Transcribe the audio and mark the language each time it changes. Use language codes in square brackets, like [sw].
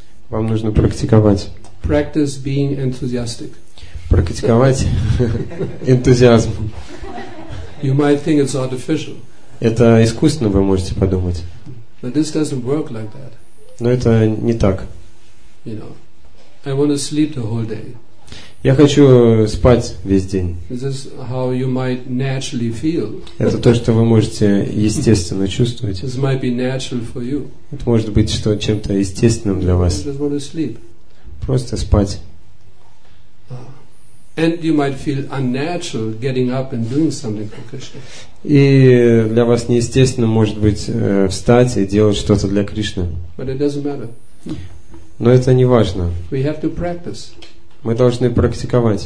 [ru] Вам нужно практиковать. [en] Practice being enthusiastic. [ru] Практиковать энтузиазм. [en] You might think it's artificial. [ru] Это искусственно, вы можете подумать. [en] But this doesn't work like that. [ru] Но это не так. [en] You know, I want to sleep the whole day. [ru] Я хочу спать весь день. [en] This is how you might naturally feel. [ru] Это то, что вы можете естественно чувствовать. [en] This might be natural for you. [ru] Это может быть что, чем-то естественным для вас. [en] I just want to sleep. [ru] Просто спать. [en] And you might feel unnatural getting up and doing something for Krishna. [ru] И для вас неестественно может быть встать и делать что-то для Кришны. [en] But it doesn't matter. [ru] Но это не важно. [en] We have to practice. [ru] Мы должны практиковать.